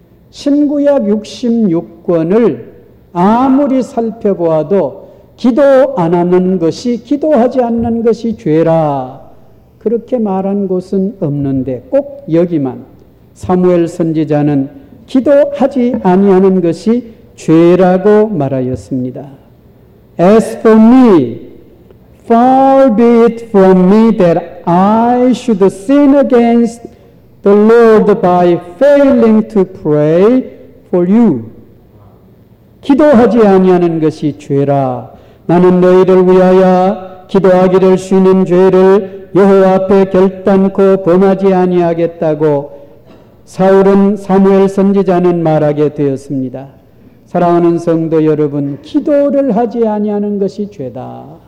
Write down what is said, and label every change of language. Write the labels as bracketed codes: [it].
[ko] 신구약 66권을 아무리 살펴보아도 기도 안 하는 것이 기도하지 않는 것이 죄라 그렇게 말한 곳은 없는데 꼭 여기만 사무엘 선지자는 기도하지 아니하는 것이 죄라고 말하였습니다. [en] As for me, far be it from me that I should sin against the Lord by failing to pray for you. [ko] 기도하지 아니하는 것이 죄라. 나는 너희를 위하여 기도하기를 쉬는 죄를 여호와 앞에 결단코 범하지 아니하겠다고 사울은 사무엘 선지자는 말하게 되었습니다. 사랑하는 성도 여러분, 기도를 하지 아니하는 것이 죄다.